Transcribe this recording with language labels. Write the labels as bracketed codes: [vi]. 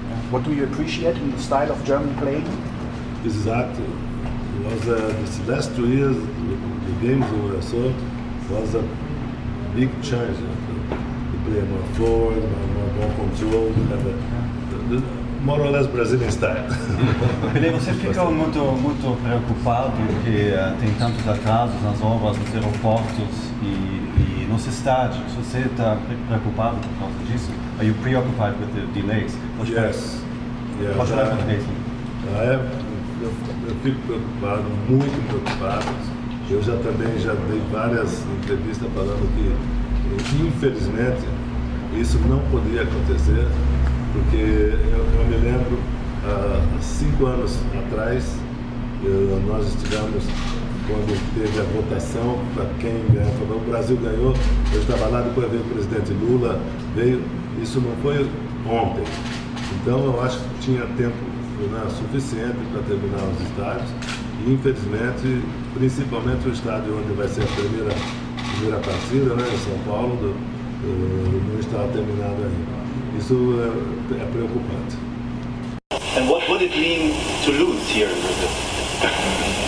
[en] What do you appreciate in the style of German playing? Exactly. These last 2 years, the games we saw was a big change. You know, to play more forward, more control, more or less Brazilian style. [pt] Pelé, você fica muito, muito preocupado porque tem tantos atrasos nas obras, nos aeroportos e nos estádios. Você está preocupado por causa disso? [en] Are you preoccupied with the delays? [pt] Eu fico preocupado, muito preocupado. Eu já dei várias entrevistas falando que, infelizmente, isso não poderia acontecer, porque eu me lembro, 5 anos atrás, nós estivemos quando teve a votação para quem ganhou. O Brasil ganhou, eu estava lá, depois veio o presidente Lula, veio, isso não foi ontem. Então eu acho que tinha tempo, né, suficiente para terminar os estádios. E infelizmente, principalmente o estádio onde vai ser a primeira partida, né, em São Paulo, não está terminado ainda. Isso é preocupante. [en] And what would it mean to lose here in Brazil?